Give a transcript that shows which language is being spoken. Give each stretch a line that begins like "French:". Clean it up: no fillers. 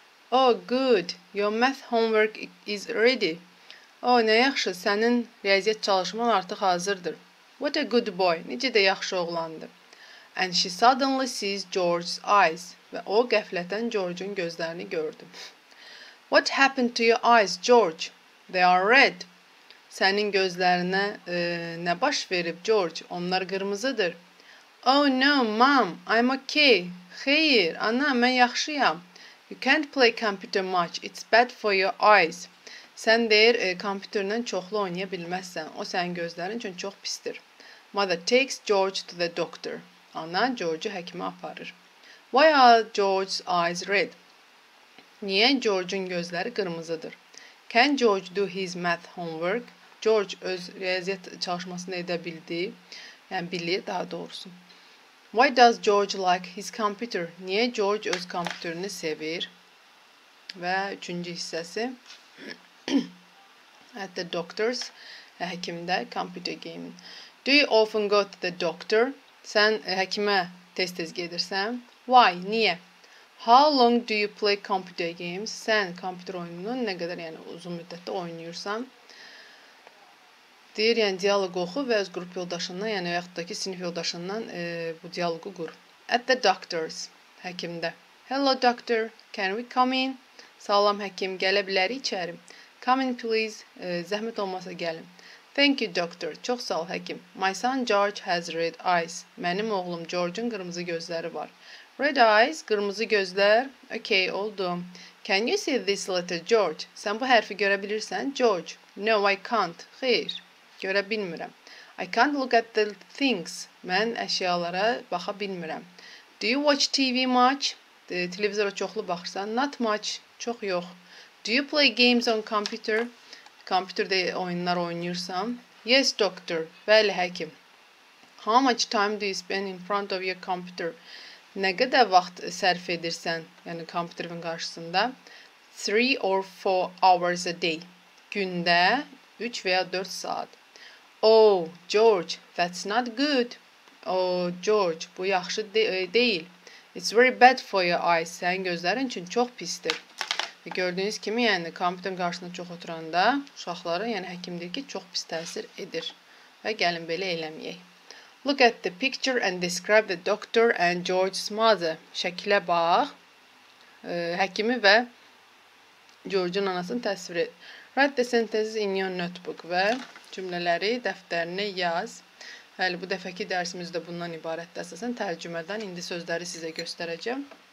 English: Oh, good. Your math homework is ready.
Azerbaijani: Oh, ne yaxşı. Sənin riyaziyyat çalışman artıq hazırdır.
English: What a good boy.
Azerbaijani: Necə də yaxşı oğlandı.
English: And she suddenly sees George's eyes.
Azerbaijani: Və o, qəflətən George'un gözlərini gördü.
English: What happened to your eyes, George? They are red.
Azerbaijani: Sənin gözlərinə nə baş verib, George? Onlar qırmızıdır.
English: Oh, no, mom. I'm okay.
Azerbaijani: Xeyir, ana, mən yaxşıyam.
English: You can't play computer much. It's bad for your eyes.
Azerbaijani: Sən deyir, kompüterlə çoxlu oynaya bilməzsən. O sənin gözlərin üçün çox pisdir.
English: Mother takes George to the doctor.
Azerbaijani: Ana George'u həkimə aparır.
English: Why are George's eyes red?
Azerbaijani: Niyə George'un gözləri qırmızıdır?
English: Can George do his math homework?
Azerbaijani: George öz riyaziyyat çalışmasını edə bildi. Yəni, bilir daha doğrusu.
English: Why does George like his computer?
Azerbaijani: Niyə George öz kompüterini sevir? Və üçüncü hissəsi.
English: At the doctor's.
Azerbaijani: Həkimdə
English: computer game. Do you often go to the doctor?
Azerbaijani: Sən həkimə tez-tez gedirsən.
English: Why?
Azerbaijani: Niyə?
English: How long do you play computer games?
Azerbaijani: Sən kompüter oyununu nə qədər yəni, uzun müddətdə oynayırsan? Deyir, yəni, diyaloğu oxu və öz qrup yoldaşından, yəni, yaxud da ki, sinif yoldaşından bu diyaloğu qur.
English: At the doctor's,
Azerbaijani: həkimdə.
English: Hello, doctor, can we come in?
Azerbaijani: Salam, həkim, gələ bilərik içəri.
English: Come in, please,
Azerbaijani: zəhmət olmasa gəlin.
English: Thank you, doctor,
Azerbaijani: çox sağ ol, həkim.
English: My son George has red eyes.
Azerbaijani: Mənim oğlum George'un qırmızı gözləri var.
English: Red eyes,
Azerbaijani: qırmızı gözlər.
English: Okay,
Azerbaijani: oldu.
English: Can you see this letter, George?
Azerbaijani: Sən bu hərfi görə bilirsən, George.
English: No, I can't,
Azerbaijani: xeyr. Görə bilmirəm.
English: I can't look at the things.
Azerbaijani: Mən əşyalara baxa bilmirəm.
English: Do you watch TV much?
Azerbaijani: Televizora çoxlu baxırsan.
English: Not much.
Azerbaijani: Çox yox.
English: Do you play games on computer?
Azerbaijani: Kompüterdə oyunlar oynayırsam.
English: Yes, doctor.
Azerbaijani: Bəli, həkim.
English: How much time do you spend in front of your computer?
Azerbaijani: Nə qədər vaxt sərf edirsən, yəni kompüterin qarşısında?
English: 3 or 4 hours a day.
Azerbaijani: Gündə 3 və ya 4 saat.
English: Oh, George, that's not good.
Azerbaijani: Oh, George, bu yaxşı deyil.
English: It's very bad for your eyes.
Azerbaijani: Sənin gözlərin üçün çox pisdir. Gördüyünüz kimi, yəni, kompüterin qarşısında çox oturanda uşaqlara, yəni, həkim deyir ki, çox pis təsir edir. Və gəlin, belə eləməyək.
English: Look at the picture and describe the doctor and George's mother.
Azerbaijani: Şəkilə bax. Həkimi və George'un anasını təsvir et.
English: Write the sentences in your notebook və
Azerbaijani: cümlələri dəftərinə yaz. Həli, bu dəfəki dərsimiz də bundan ibarətdir. Əsasən, tərcümədən indi sözləri sizə göstərəcəm.